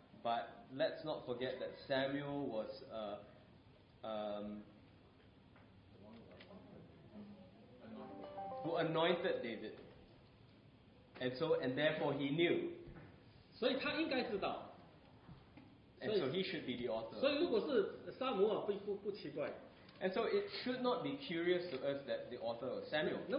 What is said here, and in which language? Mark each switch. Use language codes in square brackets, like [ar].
[en] But let's not forget that Samuel was who anointed David, and so and therefore he knew. [zh] 所以他应该知道。 [en] And so he should be the author. [zh] 所以如果是撒母耳，不奇怪。 [en] And so it should not be curious to us that the author was Samuel.